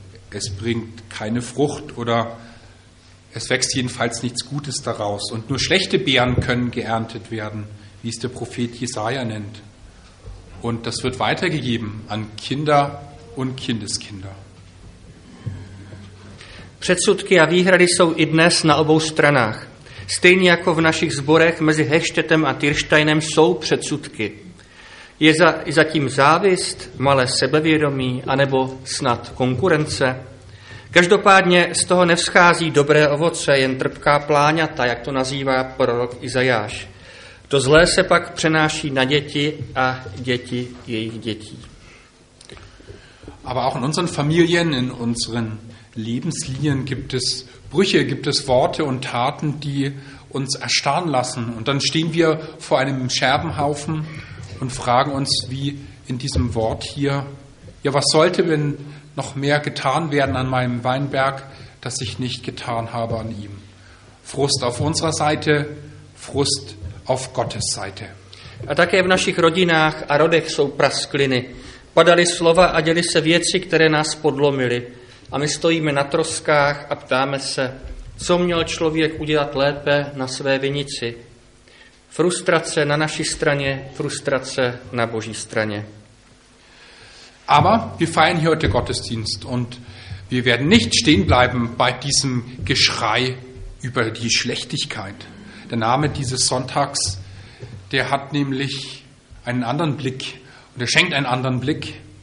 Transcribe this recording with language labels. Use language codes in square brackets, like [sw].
[de] Es bringt keine Frucht oder es wächst jedenfalls nichts Gutes daraus. Und nur schlechte Beeren können geerntet werden, wie es der Prophet Jesaja nennt. Und das wird weitergegeben an Kinder und Kindeskinder. [cs] Předsudky a výhrady jsou i dnes na obou stranách. Stejně jako v našich zborech mezi Hechtštetem a Tyrštajnem jsou předsudky. Je zatím závist, malé sebevědomí, anebo snad konkurence? Každopádně z toho nevzchází dobré ovoce, jen trpká pláňata, jak to nazývá prorok Izajáš. To zlé se pak přenáší na děti a děti jejich dětí. [de] Aber auch in unseren Familien, in unseren Lebenslinien gibt es Brüche, gibt es Worte und Taten, die uns erstarren lassen. Und dann stehen wir vor einem Scherbenhaufen und fragen uns, wie in diesem Wort hier, ja, was sollte denn noch mehr getan werden an meinem Weinberg, das ich nicht getan habe an ihm? Frust auf unserer Seite, Frust auf Gottes Seite. [cs] A také v našich rodinách a rodech jsou praskliny. Padaly slova a děly se věci, které nás podlomily. A my stojíme na troskách a ptáme se, co měl člověk udělat lépe na své vinici. Frustrace na naší straně, frustrace na Boží straně. [de] Aber wir feiern hier heute Gottesdienst und wir werden nicht stehen bleiben bei diesem Geschrei über die Schlechtigkeit. Der Name dieses Sonntags, der hat nämlich einen anderen Blick und er schenkt einen anderen Blick.